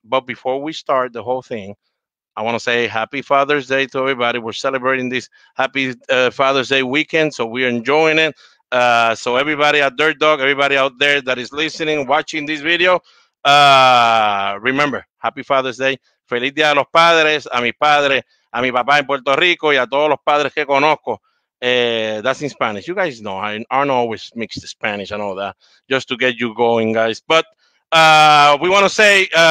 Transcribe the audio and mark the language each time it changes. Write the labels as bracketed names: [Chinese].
[English] But before we start the whole thing, I want to say happy Father's Day to everybody. We're celebrating this happy Father's Day weekend, so we're enjoying it. So everybody at Dirt Dog, everybody out there that is listening, watching this video, remember, happy Father's Day. [Spanish] Feliz Día de los Padres, a mi padre, a mi papá en Puerto Rico, y a todos los padres que conozco. [English] That's in Spanish. You guys know, I don't always mix the Spanish and all that, just to get you going, guys. But we want to say...